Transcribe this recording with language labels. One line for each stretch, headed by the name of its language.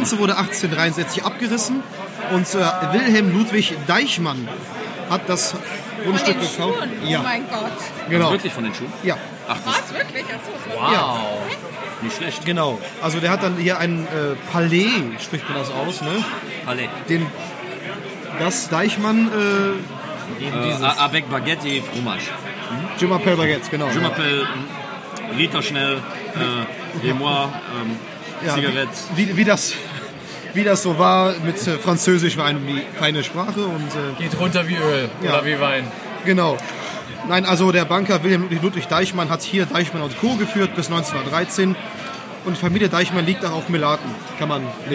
German: Ganze mehr. Wurde 1863 abgerissen. Und Wilhelm Ludwig Deichmann hat das Grundstück gekauft. Schuhen. Ja. Oh mein Gott. Genau. Wirklich von den Schuhen? Ja. War es wirklich? Wow. Nicht schlecht. Genau. Also der hat dann hier ein Palais, spricht man das aus, ne? Palais. Das Deichmann...
French: Avec Baguette et Fromage. Hm? Je m'appelle Baguette,
German: genau.
French: Je m'appelle Rita Schnell, et moi, Zigarette.
German: Ja, wie das so war mit Französisch, war eine feine Sprache und... Geht runter wie Öl oder wie Wein. Genau. Nein, also der Banker Wilhelm Ludwig Deichmann hat hier Deichmann und Co. geführt bis 1913. Und Familie Deichmann liegt auch auf Melaten, kann man lesen.